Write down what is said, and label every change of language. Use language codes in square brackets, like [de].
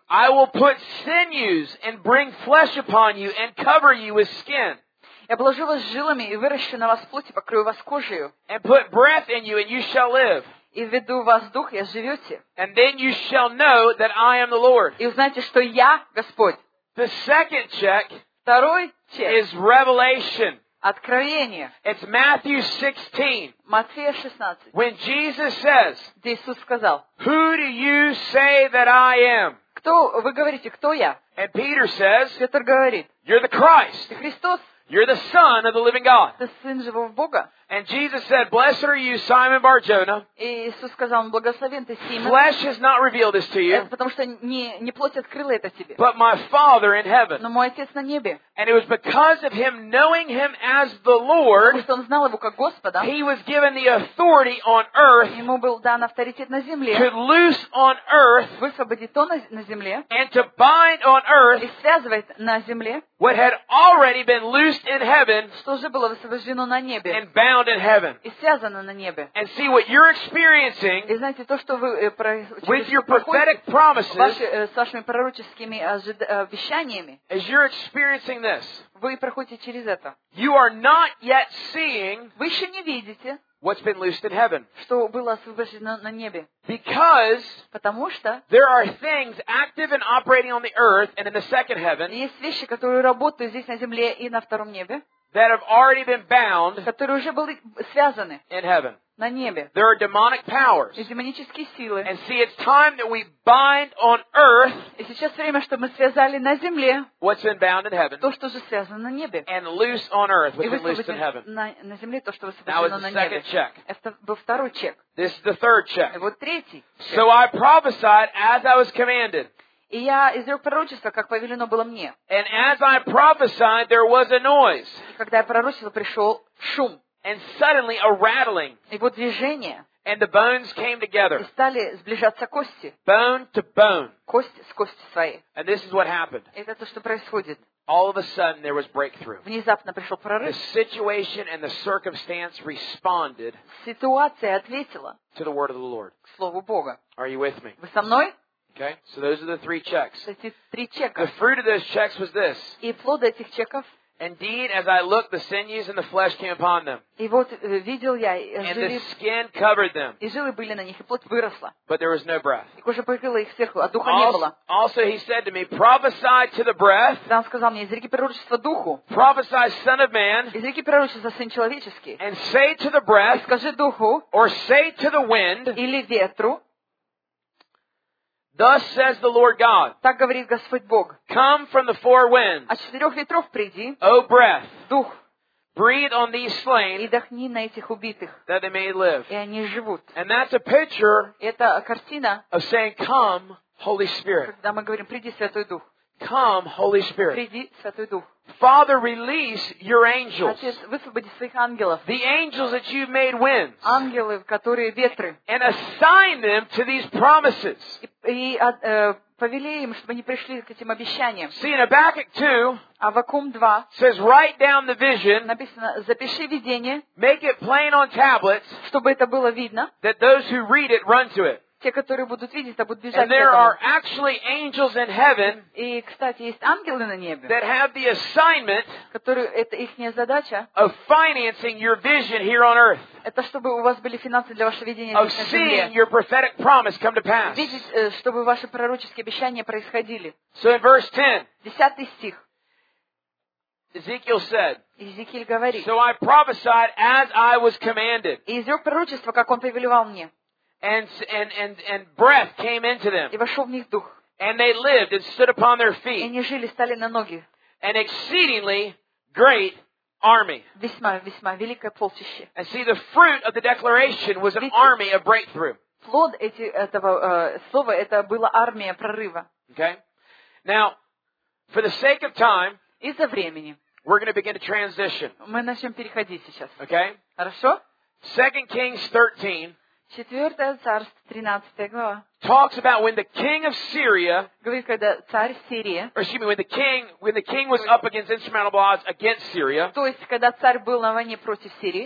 [en] I will put sinews and bring flesh upon you and cover you with skin. [ru] Я обложу вас жилами и выращу на вас плоть и покрою вас кожей. [en] And put breath in you and you shall live. [ru] И введу в вас дух и оживете. [en] And then you shall know that I am the Lord. [ru] И узнаете, что я Господь. [en] The second check. [ru] Второй чек. [en] Is revelation. [ru] Откровение. [en] It's Matthew 16. [ru] Матфея 16. [en] When Jesus says. [ru] Где Иисус сказал. [en] Who do you say that I am? [ru] Кто вы говорите, кто я? [en] And Peter says. [ru] Петр говорит. [en] You're the Christ. [ru] Ты Христос. [en] You're the Son of the Living God. [ru] Ты Сын живого Бога. [en] And Jesus said, "Blessed are you, Simon Bar-Jona." [ru] И Иисус сказал, благословен ты, Симон. [en] Flesh has not revealed this to you. [ru] Это потому что не плоть открыла это тебе. [en] But my Father in heaven. [ru] Но мой отец на небе. [en] And it was because of him knowing him as the Lord. [ru] Потому что он знал его как Господа. [en] He was given the authority on earth. [ru] Ему был дан авторитет на земле. [en] To loose on earth. [ru] Высвободить то на земле. [en] And to bind on earth. [ru] И связывать на земле. [en] What had already been loosed in heaven. [ru] Что же было высвобождено на небе. [en] And bound in heaven. [ru] И связано на небе. [en] And see what you're experiencing. [ru] И знаете то, что вы [en] with your prophetic promises. [ru] Ваши с вашими пророческими обещаниями. [en] As you're experiencing this. [ru] Вы проходите через это. [en] You are not yet seeing. [ru] Вы еще не видите. [en] What's been loosed in heaven? [ru] Что было освобождено на небе? [en] Because [ru] потому что [en] there are things active and operating on the earth and in the second heaven. [ru] Есть вещи, которые работают здесь на земле и на втором небе. [en] That have already been bound. [ru] Которые уже были связаны. [en] In heaven. [ru] На небе. [en] There are demonic powers. [ru] И демонические силы. [en] And see, it's time that we bind on earth. [ru] И сейчас время, чтобы мы связали на земле. [en] What's been bound in heaven. [ru] То, что уже связано на небе. [en] And loose on earth. What's been loosed in heaven. [ru] На земле то, что освобождено на небе. [en] Now is the second check. [ru] Это был второй чек. [en] This is the third check. [ru] И вот третий. [en] So I prophesied as I was commanded. [ru] И я изрек пророчество, как повелено было мне. [en] And as I prophesied, there was a noise. [ru] И когда я пророчил, пришел шум. [en] And suddenly a rattling. [ru] И вот движение. [en] And the bones came together. [ru] И стали сближаться кости. [en] Bone to bone. [ru] Кость с кости своей. [en] And this is what happened. [ru] Это то, что происходит. [en] All of a sudden, there was breakthrough. [ru] Внезапно пришел прорыв. [en] The situation and the circumstance responded. [ru] Ситуация ответила. [en] To the word of the Lord. [ru] К слову Бога. [en] Are you with me? [ru] Вы со мной? [en] Okay, so those are the three checks. [ru] Эти три чека. [en] The fruit of those checks was this. [ru] И плод этих чеков. [en] Indeed, as I looked, the sinews and the flesh came upon them. [ru] И вот видел я. [en] And the skin covered them. [ru] И жилы были на них, и плоть выросла. [en] But there was no breath. [ru] И кожа покрыла их сверху, а духа не было. [en] Also, he said to me, prophesy to the breath. [ru] Он сказал мне, изреки пророчество духу. [en] Prophesy, son of man. [ru] Изреки пророчество сын человеческий. [en] And say to the breath. [ru] И скажи духу. [en] Or say to the wind. [ru] Или ветру. [en] Thus says the Lord God. [ru] Так говорит Господь Бог. [en] Come from the four winds. [ru] От четырех ветров приди. [en] O breath. [ru] Дух. [en] Breathe on these slain. [ru] И вдохни на этих убитых. [en] That they may live. [ru] И они живут. [en] And that's a picture. [ru] Это картина. [en] Of saying, come, Holy Spirit. [ru] Когда мы говорим, приди, Святой Дух. [en] Come, Holy Spirit. [ru] Приди, Святой Дух. [en] Father, release your angels. [ru] Отец, высвободи своих ангелов. [en] The angels that you've made winds. [ru] Ангелы, которые ветры. [en] And assign them to these promises. [ru] И повели им, чтобы они пришли к этим обещаниям. [en] See, in Habakkuk 2, [ru] Аввакум 2 [en] says, write down the vision, [ru] написано, запиши видение, [en] make it plain on tablets, [ru] чтобы это было видно, [en] that those who read it run to it. [ru] Те, которые будут видеть, будут бежать. [en] And there are actually angels in heaven, [ru] и, кстати, есть ангелы на небе, [en] that have the assignment, [ru] которые, это ихняя задача, [en] of financing your vision here on earth. [ru] Это чтобы у вас были финансы для вашего видения здесь, [en] of seeing your prophetic promise come to pass. [ru] Видеть, чтобы ваши пророческие обещания происходили. [en] So in verse 10, [ru] 10 стих, [en] Ezekiel said, [ru] Иезекииль говорит, [en] so I prophesied as I was commanded. [ru] И изрек пророчество, как он повелевал мне. [en] And breath came into them. [ru] И вошел в них дух. [en] And they lived and stood upon their feet. [ru] И они жили, стали на ноги. [en] An exceedingly great army. [ru] Весьма, весьма великое полчище. [en] And see, the fruit of the declaration was an army of breakthrough. [ru] Плод этого слова это была армия прорыва. [en] Okay. Now, for the sake of time, [ru] из-за времени, [en] we're going to begin to transition. [ru] Мы начнем переходить сейчас. [en] Okay. [ru] Хорошо. [en] 2 Kings 13. [ru] 4 царство, 13 глава. [en] Talks about when the king of Syria, [ru] говорит, когда царь Сирии, [en] or excuse me, when the king was up against insurmountable odds against Syria. [ru] То есть, когда царь был на войне против Сирии.